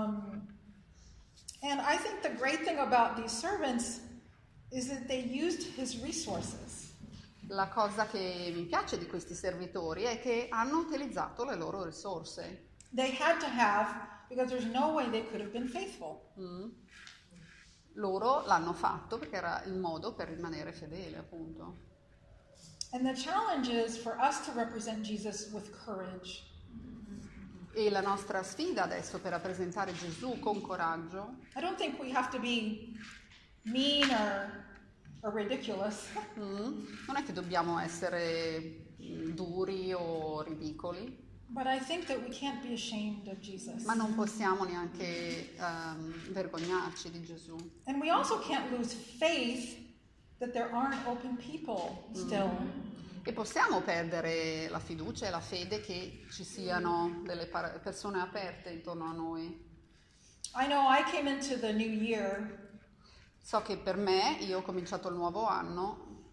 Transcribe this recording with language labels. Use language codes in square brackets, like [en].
[en] And I think the great thing about these servants is that they used his resources. [it] La cosa che mi piace di questi servitori è che hanno utilizzato le loro risorse. [en] They had to have, because there's no way they could have been faithful. [it] Loro l'hanno fatto perché era il modo per rimanere fedele, appunto. [en] And the challenge is for us to represent Jesus with courage. [it] E la nostra sfida adesso per rappresentare Gesù con coraggio. [en] I don't think we have to be mean or ridiculous. [it] Non è che dobbiamo essere duri o ridicoli. [en] But I think that we can't be ashamed of Jesus. [it] Ma non possiamo neanche vergognarci di Gesù. [en] And we also can't lose faith that there aren't open people still. [it] E possiamo perdere la fiducia e la fede che ci siano delle persone aperte intorno a noi. [en] I know I came into the new year. [it] So che per me, io ho cominciato il nuovo anno.